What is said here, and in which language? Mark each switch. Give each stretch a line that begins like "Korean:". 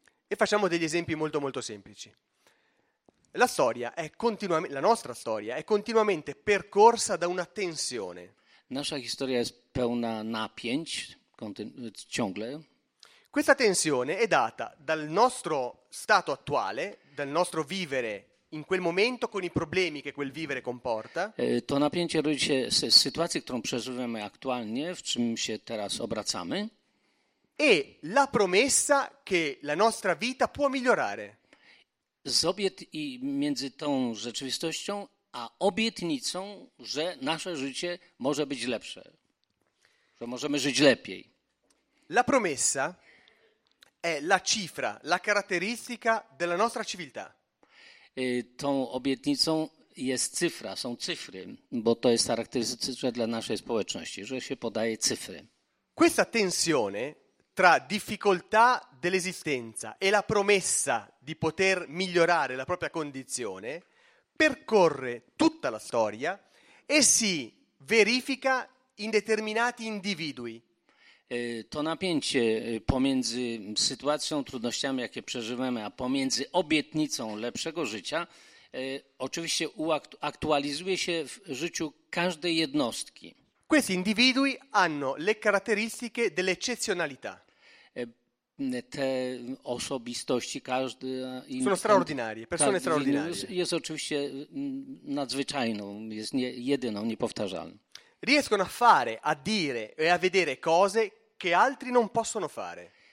Italian: E facciamo degli esempi molto molto semplici. La storia è continuamente, la nostra storia è continuamente percorsa da una tensione.
Polish: Nasza historia jest pełna napięć ciągle.
Italian: Questa tensione è data dal nostro stato attuale, dal nostro vivere in quel momento con i problemi che quel vivere comporta.
Polish: To napięcie rodzi się z sytuacji, którą przeżywamy aktualnie, w czym się teraz obracamy.
Italian: E la promessa che la nostra vita può migliorare.
Polish: Z obiet i między tą rzeczywistością a obietnicą, że nasze życie może być lepsze, że możemy żyć lepiej.
Italian: La promessa è la cifra, la caratteristica della nostra civiltà.
Polish: Tą obietnicą jest cyfra, są cyfry, bo to jest charakterystyczne dla naszej społeczności, że się podaje cyfry.
Italian: Questa tensione tra difficoltà dell'esistenza e la promessa di poter migliorare la propria condizione percorre tutta la storia e si verifica in determinati individui.
Polish: To napięcie pomiędzy sytuacją, trudnościami, jakie przeżywamy, a pomiędzy obietnicą lepszego życia, oczywiście aktualizuje się w życiu każdej jednostki.
Italian: Questi individui hanno le caratteristiche dell'eccezionalità.
Polish: Te osobistości, każdy...
Italian: Sono straordinarie, persone straordinarie.
Polish: Jest oczywiście nadzwyczajną, jest nie, jedyną, niepowtarzalną.
Italian: Riescono a fare, a dire e a vedere cose che altri non possono fare.